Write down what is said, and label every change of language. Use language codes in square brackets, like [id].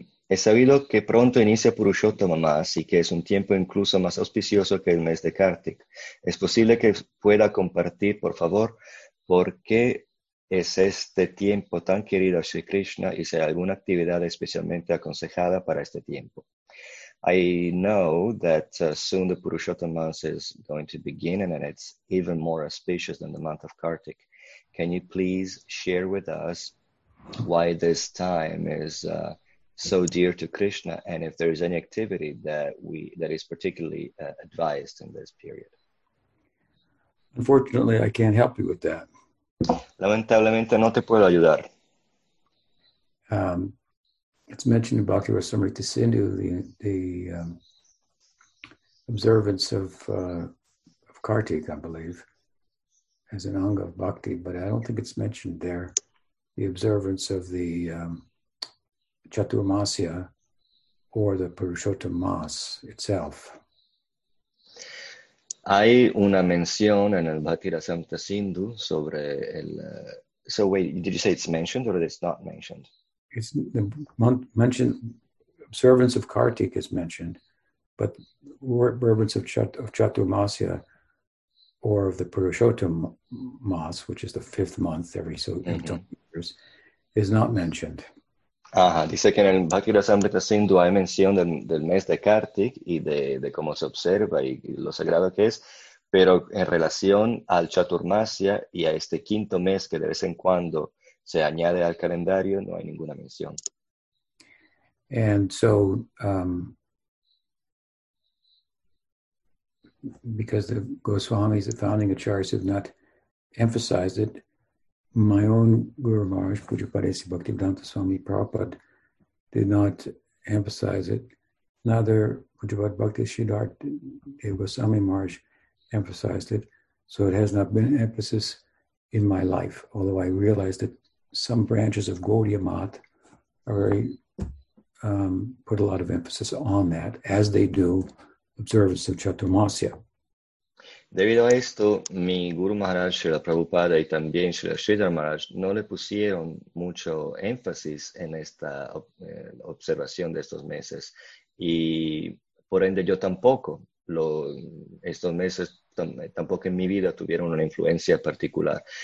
[es] He sabido que pronto inicia Purushottama Mas y que es un tiempo incluso más auspicioso que el mes de Kartik. ¿Es posible que pueda compartir, por favor, por qué es este tiempo tan querido a Sri Krishna y si hay alguna actividad especialmente aconsejada para este tiempo? [en] I know that soon the Purushottama Mas is going to begin and it's even more auspicious than the month of Kartik. Can you please share with us why this time is so dear to Krishna, and if there is any activity that is particularly advised in this period? Unfortunately, I can't help you with that. [es] Lamentablemente, no te puedo ayudar. [en] It's mentioned in Bhakti Rasamrita Sindhu the observance of Kartik, I believe, as an anga of bhakti, but I don't think it's mentioned there. The observance of the Chaturmasya or the Purushottama Mas itself. [es] Hay una mención en el Bhakti Rasamrita Sindhu sobre el... [en] So wait, did you say it's mentioned or it's not mentioned? It's the mentioned, observance of Kartik is mentioned, but observance of Chaturmasya or of the Purushottama Mas, which is the fifth month every so years, is not mentioned. [es] Ajá, dice que en el Bhakti Rasamrita Sindhu hay mención del mes de Kartik y de cómo se observa y lo sagrado que es, pero en relación al Chaturmasya y a este quinto mes que de vez en cuando se añade al calendario, no hay ninguna mención. [en] And so, because the Goswamis, the founding acharyas, have not emphasized it, my own Guru Maharaj, Pujapadesi Bhaktivedanta Swami Prabhupada, did not emphasize it. Neither Pujapad Bhakti Siddhar Devaswami Maharaj emphasized it. So it has not been an emphasis in my life, although I realize that some branches of Gaudiya Math are very, put a lot of emphasis on that, as they do observance of Chaturmasya. [es] Debido a esto, mi Guru Maharaj, Srila Prabhupada y también Srila Sridhar Maharaj no le pusieron mucho énfasis en esta observación de estos meses. Y por ende, yo tampoco. Estos meses tampoco en mi vida tuvieron una influencia particular.